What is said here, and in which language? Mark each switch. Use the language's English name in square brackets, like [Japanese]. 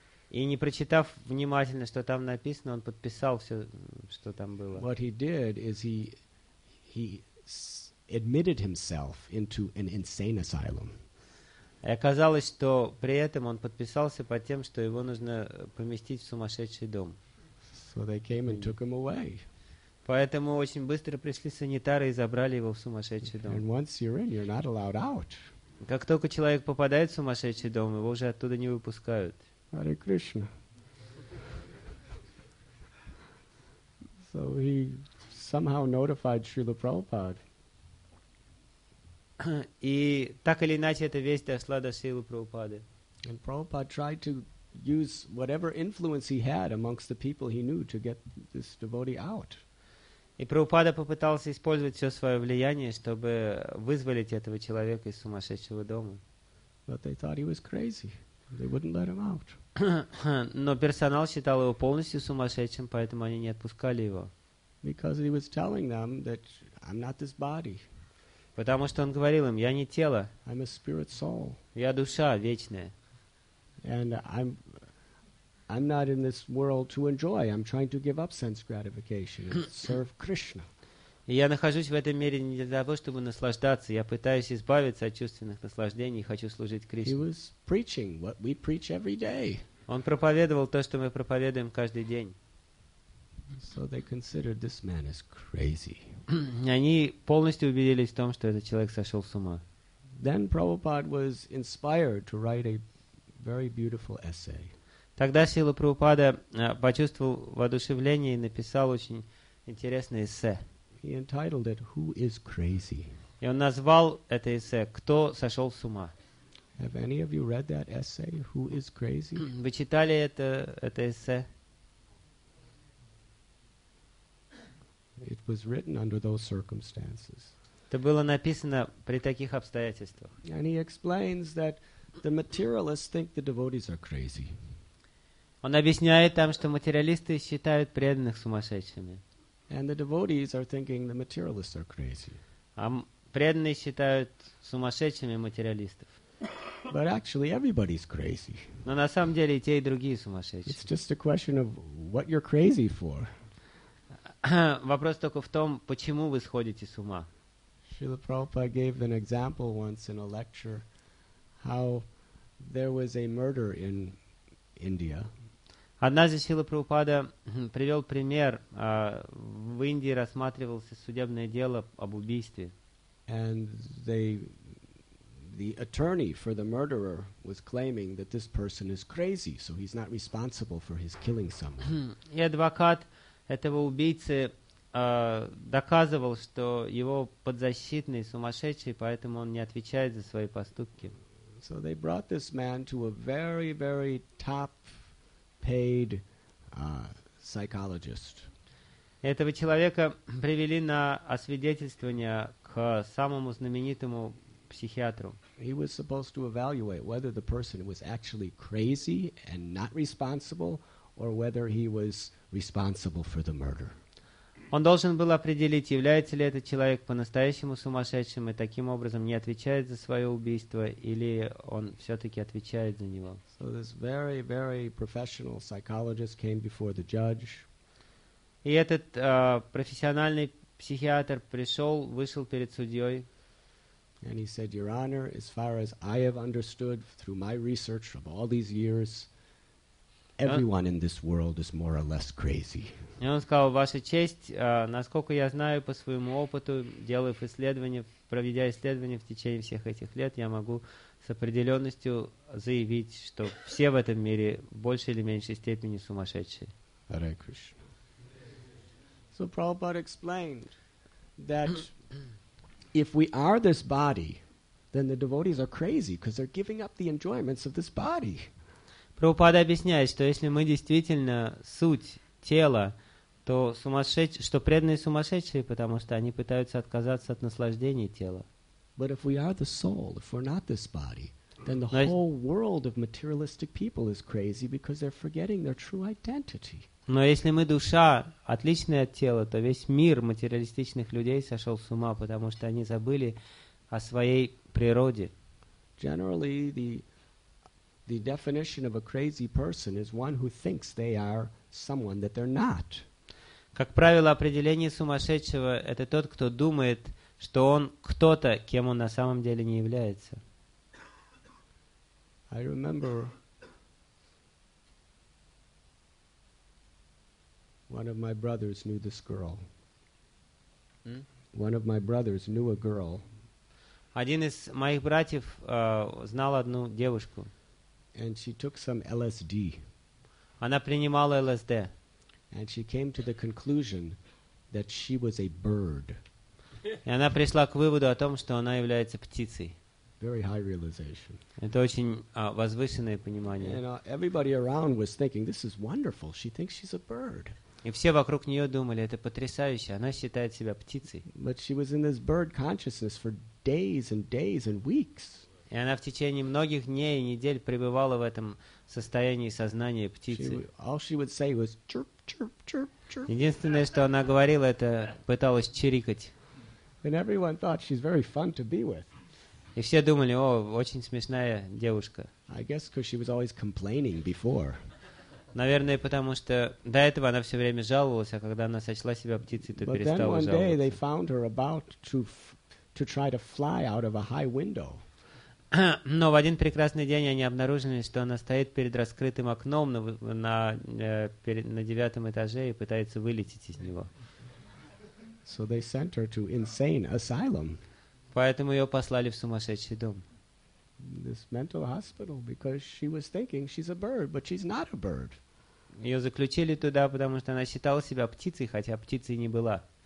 [Russian] И не прочитав внимательно, что там написано, он подписал все, что там было. [English] What he did is he admitted himself into an insane asylum. [Russian] И оказалось, что при этом он подписался под тем, что его нужно поместить в сумасшедший дом. [English] So they came and took him away. [Russian] Поэтому очень быстро пришли санитары и забрали его в сумасшедший дом. [English] And once you're in, you're not allowed out. [Russian] Как только человек попадает в сумасшедший дом, его уже оттуда не выпускают. [English] Hare Krishna. So he somehow notified Srila Prabhupada. [Russian] И так или иначе эта весть дошла до Шрилы Прабхупады. [English] And Prabhupada tried to use whatever influence he had amongst the people he knew to get this devotee out. [Russian] И Прабхупада попытался использовать все свое влияние, чтобы вызволить этого человека из сумасшедшего дома. [English] But they thought he was crazy. They wouldn't let him out. [Russian] Но персонал считал его полностью сумасшедшим, поэтому они не отпускали его. [English] Because he was telling them that I'm not this body. [Russian] Потому что он говорил им: я не тело. [English] I'm a spirit soul. [Russian] Я душа вечная. [English] And I'm not in this world to enjoy. I'm trying to give up sense gratification and serve Krishna. [Russian] Я нахожусь в этом мире не для того, чтобы наслаждаться. Я пытаюсь избавиться от чувственных наслаждений и хочу служить Кришне. [English] He was preaching what we preach every day. [Russian] Он проповедовал то, что мы проповедуем каждый день. [English] So they considered this man as crazy. [Russian] Они полностью убедились в том, что этот человек сошел с ума. [English] Then Prabhupada was inspired to write a very beautiful essay. [Russian] Тогда Шрила Прабхупада почувствовал воодушевление и написал очень интересное эссе. [English] He entitled it "Who is Crazy?" [Russian] И он назвал это эссе "Кто сошел с ума?" [English] Have any of you read that essay "Who is Crazy?" [Russian] Вы читали это эссе? [English] It was written under those circumstances. [Russian] Это было написано при таких обстоятельствах. [English] And he explains that the materialists think the devotees are crazy. [Russian] Он объясняет там, что материалисты считают преданных сумасшедшими. [English] And the devotees are thinking the materialists are crazy. [Russian] А преданные считают сумасшедшими материалистов. [English] But actually everybody's crazy. [Russian] Но на самом деле и те, и другие сумасшедшие. [English] It's just a question of what you're crazy for. [Russian] Вопрос только в том, почему вы сходите с ума. [English] Srila Prabhupada gave an example once in a lecture how there was a murder in India. [Russian] Однажды Шрила Прабхупада привел пример. В Индии рассматривалось судебное дело об убийстве. [English] And the attorney for the murderer was claiming that this person is crazy, so he's not responsible for his killing someone. [Russian] И адвокат этого убийцы доказывал, что его подзащитный сумасшедший, поэтому он не отвечает за свои поступки. [English] So they brought this man to a very, very top paid psychologist. [Russian] Этого человека привели на освидетельствование к самому знаменитому психиатру. [English] He was supposed to evaluate whether the person was actually crazy and not responsible, or whether he was responsible for the murder. [Russian] Он должен был определить, является ли этот человек по-настоящему сумасшедшим и таким образом не отвечает за свое убийство, или он все-таки отвечает за него. [English] So this very, very professional psychologist came before the judge. [Russian] И этот профессиональный психиатр вышел перед судьей. [English] And he said, Your Honor, as far as I have understood through my research of all these years, everyone in this world is more or less crazy. [Russian] И он сказал: Ваша честь, насколько я знаю по своему опыту, проведя исследования в течение всех этих лет, я могу с определенностью заявить, что все в этом мире в большей или меньшей степени сумасшедшие. [English] Hare Krishna. So Prabhupada explained that if we are this body, then the devotees are crazy because they're giving up the enjoyments of this body. [Russian] Прабхупада объясняет, что если мы действительно суть тела, то что преданные сумасшедшие, потому что они пытаются отказаться от наслаждений тела. [English] But if we are the soul, if we're not this body, then the whole world of materialistic people is crazy because they're forgetting their true identity. [Russian] Но если мы душа, отличная от тела, то весь мир материалистичных людей сошел с ума, потому что они забыли о своей природе. [English] Generally, the definition of a crazy person is one who thinks they are someone that they're not. [Russian] Как правило, определение сумасшедшего – это тот, кто думает, что он кто-то, кем он на самом деле не является. [English] I remember one of my brothers knew this girl. One of my brothers knew a girl. [Russian] Один из моих братьев знал одну девушку. [English] And she took some LSD. [Russian] Она принимала LSD. [English] And she came to the conclusion that she was a bird. [Russian] И она пришла к выводу о том, что она является птицей. [English] Very high realization. [Russian] Это очень возвышенное понимание. [English] And everybody around was thinking, this is wonderful. She thinks she's a bird. [Russian] И все вокруг нее думали, это потрясающе. Она считает себя птицей. [English] But she was in this bird consciousness for days and days and weeks. [Russian] И она в течение многих дней и недель пребывала в этом состоянии сознания птицы. [English] All she would say was chirp, chirp, chirp, chirp. [Russian] Единственное, что она говорила, это пыталась чирикать. [English] And everyone thought she's very fun to be with. [Russian] И все думали, о, очень смешная девушка. [English] I guess because she was always complaining before. [Russian] Наверное, потому что до этого она все время жаловалась, а когда она сочла себя птицей, то перестала жаловаться. [English] But then one day they found her about to try to fly out of a high window. [Russian] Но в один прекрасный день они обнаружили, что она стоит перед раскрытым окном на девятом этаже и пытается вылететь из него. [English] So they sent her to insane asylum. [Russian] Поэтому ее послали в сумасшедший дом. [English] This mental hospital, because she was thinking she's a bird, but she's not a bird. [Russian] Ее заключили туда, потому что она считала себя птицей, хотя птицей не была.